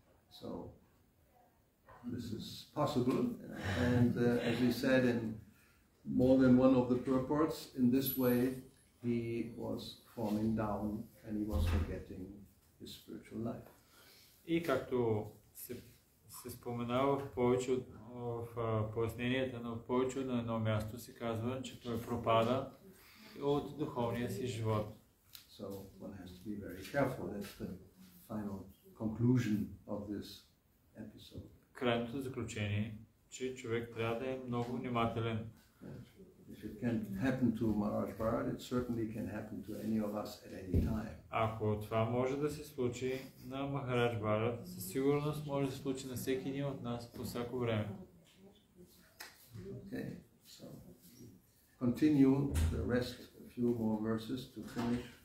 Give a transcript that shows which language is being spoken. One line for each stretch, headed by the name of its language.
English: So this is possible, and as we said in more than one of the purports, in this way he was falling down and he was forgetting his spiritual life.
Bulgarian: И както се споменава в поясненията, но в повече на едно място се казва, че той пропада от духовния си живот.
English: So one has to be very careful. That's the final conclusion of this episode.
Bulgarian: Крайното заключение, че човек трябва да е много внимателен.
English: If it can happen to Maharaj Bharat, it certainly can happen to any of us at any time.
Bulgarian: Ако това може да се случи на Махарадж Бхарат, със сигурност може да се случи на всеки един от нас по всяко време.
English: Okay. So continue the rest a few more verses to finish.